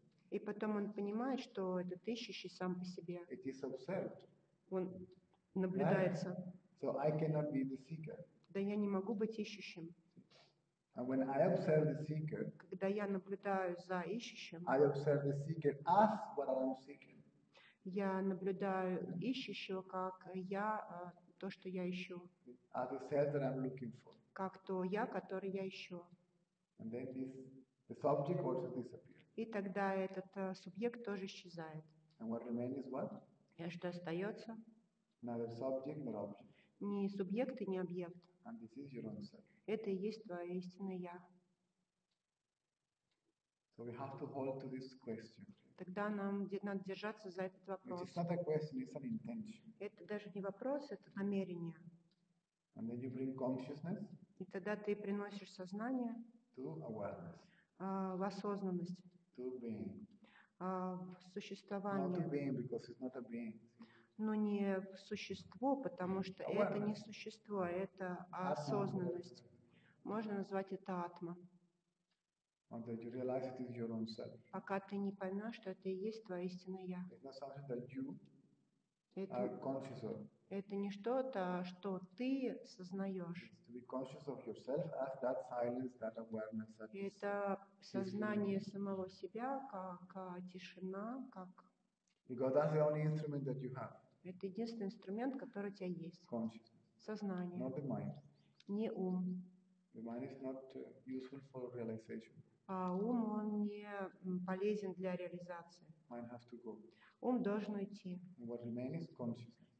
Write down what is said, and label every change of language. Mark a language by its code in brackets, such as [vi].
[ru] И потом он понимает, что этот ищущий сам по себе. [en] It is observed. [ru] Он наблюдается. [en] So I cannot be the seeker. [ru] Да я не могу быть ищущим. [en] And when I observe the seeker, [ru] когда я наблюдаю за ищущим, [en] I observe the seeker as what I am seeking. [ru] Я наблюдаю ищущего, как я то, что я ищу. [en] As the self that I'm looking for. [ru] Как то я, который я ищу. [en] And then the subject also disappears. [ru] И тогда этот субъект тоже исчезает. [en] And what remains what? [ru] И что остается? [en] Neither subject nor object. [ru] Ни субъект и ни объект. [en] And this is your own self. [ru] Это и есть твое истинное я. [en] So we have to hold to this question. [ru] Тогда нам надо держаться за этот вопрос. [en] It's not a question, it's an intention. [ru] Это даже не вопрос, это намерение. [en] And then you bring consciousness. [ru] И тогда ты приносишь сознание [en] to awareness. [ru] В осознанность. [en] To being. [ru] В существование. [en] Not to being, because it's not a being. [ru] Но не в существо, потому что [en] awareness. [ru] Это не существо, а это осознанность. Можно назвать это атма. [en] That you realize it is your own self. [ru] Пока ты не поймешь, что это и есть твое истинное я. [en] It's not something that you are conscious of. [ru] Это не что-то, что ты сознаешь. [en] It's to be conscious of yourself as that silence, that awareness. That [ru] это сознание самого себя, как тишина, как. [en] Because that's the only instrument that you have. [ru] Это единственный инструмент, который у тебя есть. [en] Consciousness. [ru] Сознание. [en] Not the mind. [ru] Не ум. [en] The mind is not useful for realization. [ru] А ум, он не полезен для реализации. [en] Mind has to go. [ru] Ум должен уйти. [en] And what remains is consciousness.